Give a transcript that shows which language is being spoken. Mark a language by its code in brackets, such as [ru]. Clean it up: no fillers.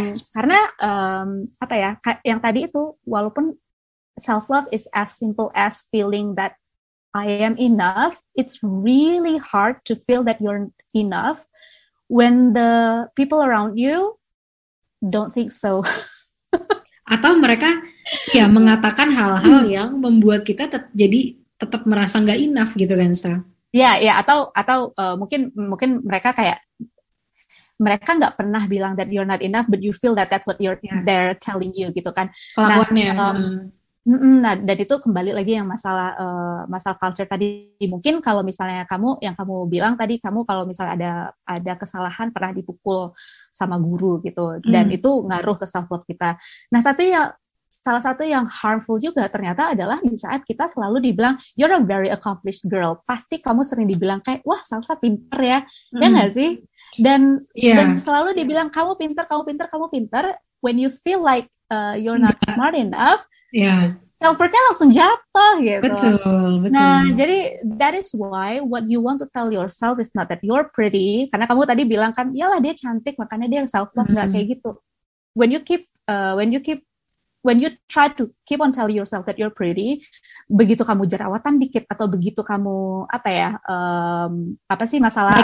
[id] Karena apa ya, yang tadi itu, [en] walaupun self love is as simple as feeling that I am enough, it's really hard to feel that you're enough when the people around you don't think so. [id] atau mereka ya mengatakan hal-hal yang membuat kita jadi tetap merasa nggak enough gitu kan, Sa? Ya, atau mungkin mungkin mereka kayak mereka nggak pernah bilang [en] that you're not enough, but you feel that that's what you're they're telling you [id] gitu kan. Nah, Kelakuannya. nah dan itu kembali lagi yang masalah masalah culture tadi. Mungkin kalau misalnya kamu yang kamu bilang tadi, kamu kalau misalnya ada kesalahan pernah dipukul sama guru gitu, dan itu ngaruh ke self worth kita. Nah, tapi ya salah satu yang harmful juga ternyata adalah di saat kita selalu dibilang [en] you're a very accomplished girl, [id] pasti kamu sering dibilang kayak wah Salsa pinter ya, ya nggak sih? Dan dan selalu dibilang kamu pinter, kamu pinter, kamu pinter. [en] When you feel like you're not smart enough, [id] self-worth-nya langsung jatuh gitu. Betul, betul. Nah, jadi [en] that is why what you want to tell yourself is not that you're pretty, [id] karena kamu tadi bilang kan, iyalah dia cantik, makanya dia self-worth nggak kayak gitu. [en] When you keep when you try to keep on telling yourself that you're pretty, [id] begitu kamu jerawatan dikit atau begitu kamu apa ya, apa sih masalah